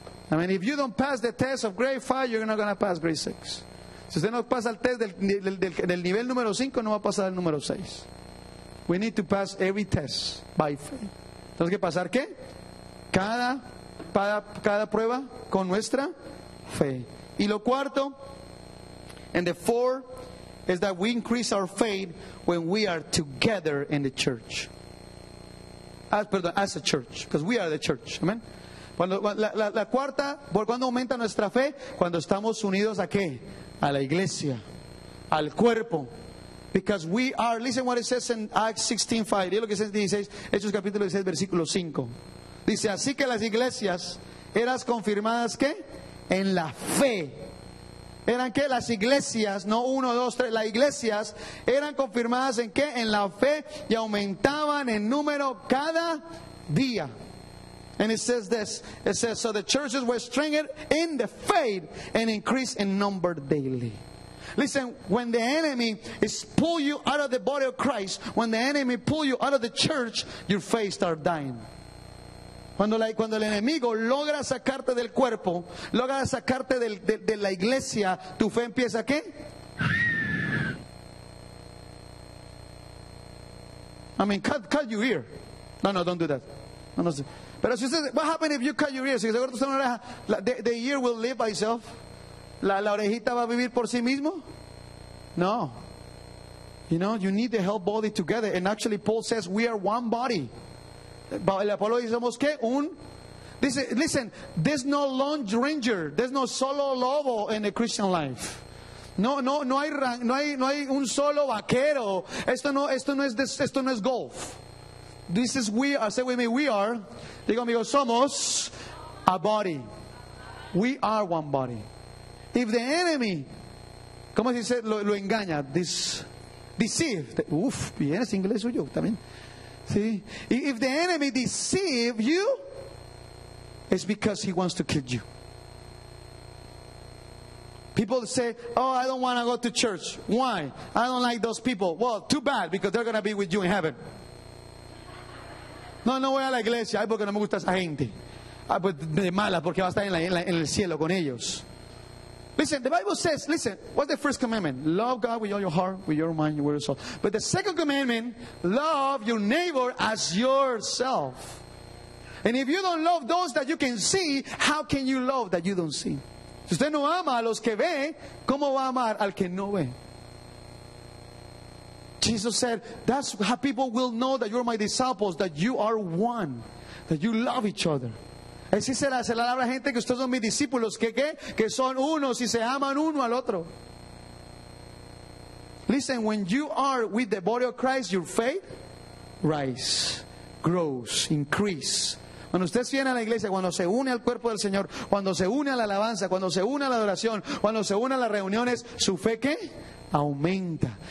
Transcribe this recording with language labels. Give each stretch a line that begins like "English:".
English: I mean, if you don't pass the test of grade 5, you're not going to pass grade 6.
Spanish: Si usted no pasa el test del nivel número 5, no va a pasar el número 6.
English: We need to pass every test by faith.
Spanish: Tenemos que pasar ¿qué? Cada prueba con nuestra fe. Y lo cuarto,
English: and the fourth, is that we increase our faith when we are together in the church. As a church, because we are the church.
Spanish: Amen. La cuarta, ¿por cuándo aumenta nuestra fe? Cuando estamos unidos ¿a qué? A la iglesia, al cuerpo.
English: Because we are, listen what it says in Acts 16:5.
Spanish: Dice lo que dice 16, Hechos capítulo 16, versículo 5. Dice, así que las iglesias eras confirmadas ¿qué? En la fe. ¿Eran qué? Las iglesias, no uno, dos, tres. Las iglesias eran confirmadas ¿en qué? En la fe, y aumentaban en número cada día.
English: And it says this. It says, so the churches were strengthened in the faith and increased in number daily. Listen, when the enemy is pull you out of the body of Christ, when the enemy pull you out of the church, your faith starts dying.
Spanish: Cuando el enemigo logra sacarte del cuerpo, logra sacarte de la iglesia, tu fe empieza ¿qué?
English: I mean, cut your ear. No, don't do that. No.
Spanish: Pero si usted,
English: what happens if you cut your ear?
Spanish: Si se corta una oreja,
English: the ear will live by itself.
Spanish: La orejita va a vivir por sí mismo. No.
English: You know, you need the whole body together. And actually, Paul says we are one body.
Spanish: El Apolo dice, ¿somos qué?
English: Listen, there's no lone ranger, there's no
Spanish: solo lobo
English: in the Christian life.
Spanish: No hay un solo vaquero. Esto no es golf.
English: This is we are. Say with me, we are.
Spanish: Digo, amigos, somos
English: a body. We are one body. If the enemy,
Spanish: ¿cómo se dice? Lo engaña.
English: Deceive.
Spanish: Uf, bien, es inglés suyo también.
English: See, if the enemy deceive you, it's because he wants to kill you. People say, oh, I don't want to go to church. Why? I don't like those people. Well, too bad, because they're going to be with you in heaven.
Spanish: No voy a la iglesia. Ay, porque no me gusta esa gente. Ay, pues de mala, porque va a estar en el cielo con ellos.
English: Listen, the Bible says, listen, what's the first commandment? Love God with all your heart, with your mind, with your soul. But the second commandment, love your neighbor as yourself. And if you don't love those that you can see, how can you love that you don't see?
Spanish: Si usted no ama a los que ve, ¿cómo va a amar al que no ve?
English: Jesus said, that's how people will know that you're my disciples, that you are one, that you love each other.
Spanish: Así se le habla a la gente que ustedes son mis discípulos, que qué, que son unos y se aman uno al otro.
English: Listen, when you are with the body of Christ, your faith rises, grows, increases.
Spanish: Cuando usted viene a la iglesia, cuando se une al cuerpo del Señor, cuando se une a la alabanza, cuando se une a la adoración, cuando se une a las reuniones, su fe qué, aumenta.